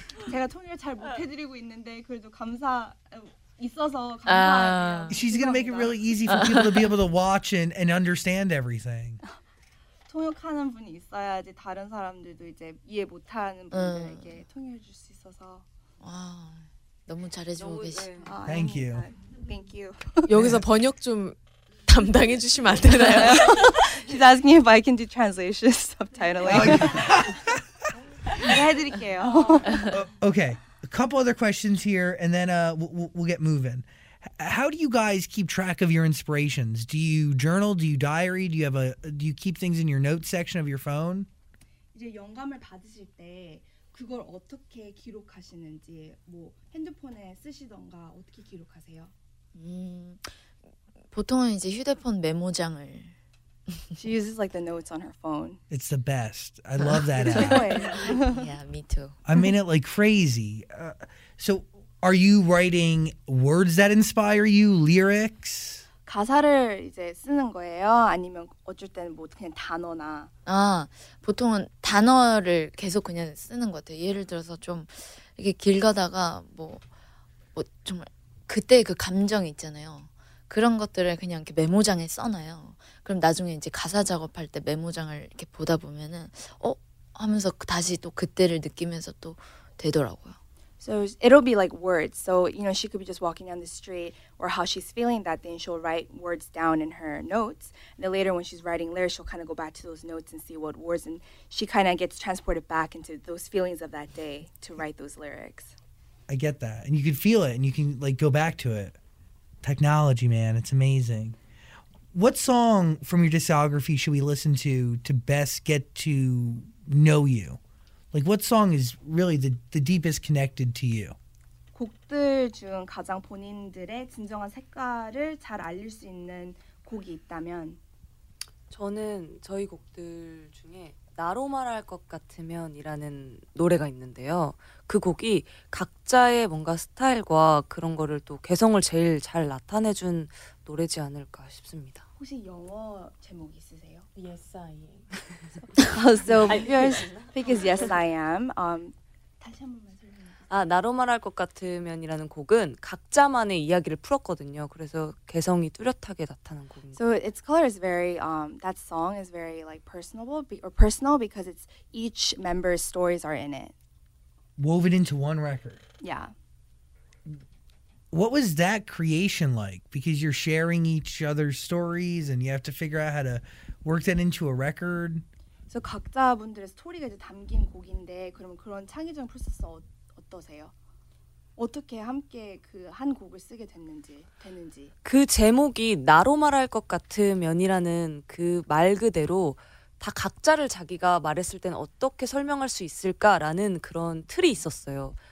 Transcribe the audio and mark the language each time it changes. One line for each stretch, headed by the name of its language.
Korean: 제가 통역 잘 못 해드리고 있는데 그래도 감사 있어서 감사.
English: She's gonna make it really easy for people to be able to watch and understand everything.
Korean: 통역하는 분이 있어야지 다른 사람들도 이제 이해 못하는 분들에게 통역해 줄 수 있어서. 와, 너무 잘해주고 계시.
English: Thank you. Thank you.
Korean: 여기서 번역 좀 담당해 주시면 안 되나요?
English: She's asking if I can do translation subtitling.
Korean: 해드릴게요.
English: Okay, a couple other questions here, and then we'll get moving. How do you guys keep track of your inspirations? Do you journal? Do you diary? Do you have a? Do you keep things in your notes section of your phone?
Korean: 이제 영감을 받으실 때 그걸 어떻게 기록하시는지 뭐 핸드폰에 쓰시던가 어떻게 기록하세요? 보통은 이제 휴대폰 메모장을.
English: She uses like the notes on her phone. It's the best. I love that app. Yeah, me too. I mean it like crazy. So. Are you writing words that inspire you, lyrics?
Korean: 가사를 이제 쓰는 거예요? 아니면 어쩔 때는 뭐 그냥 단어나? 아, 보통은 단어를 계속 그냥 쓰는 것 같아요. 예를 들어서 좀 이렇게 길 가다가 뭐 정말 그때 그 감정 있잖아요. 그런 것들을 그냥 이렇게 메모장에 써놔요. 그럼 나중에 이제 가사 작업할 때 메모장을 이렇게 보다 보면은 하면서 다시 또 그때를 느끼면서 또 되더라고요.
English: So it'll be like words. So, you know, she could be just walking down the street or how she's feeling that day, and she'll write words down in her notes. And then later when she's writing lyrics, she'll kind of go back to those notes and see what words, and she kind of gets transported back into those feelings of that day to write those lyrics. I get that. And you can feel it and you can like go back to it. Technology, man. It's amazing. What song from your discography should we listen to best get to know you? Like what song is really the deepest connected to you?
Korean: 곡들 중 가장 본인들의 진정한 색깔을 잘 알릴 수 있는 곡이 있다면 저는 저희 곡들 중에 나로 말할 것 같으면이라는 노래가 있는데요. 그 곡이 각자의 뭔가 스타일과 그런 거를 또 개성을 제일 잘 나타내 준 노래지 않을까 싶습니다. 혹시 영어 제목 있으세요?
English: Yes, I am. So yours because yes I am.
Korean: 다시 한 번만 설명해 주세요. 아, 나로 말할 것 같으면이라는 곡은 각자만의 이야기를 풀었거든요. 그래서 개성이 뚜렷하게 나타난 곡입니다.
English: So its color is very that song is very like personable or personal because it's each member's stories are in it. woven into one record. Yeah. What was that creation like? Because you're sharing each other's stories and you have to figure out how to work that into a record.
Korean: So 각자분들의 스토리가 이제 담긴 곡인데 그럼 그런 창의적인 프로세스 어떠세요? 어떻게 함께 그 한 곡을 쓰게 됐는지. 그 제목이 나로 말할 것 같으면이라는 그 말 그대로 다 각자를 자기가 말했을 땐 어떻게 설명할 수 있을까라는 그런 틀이 있었어요.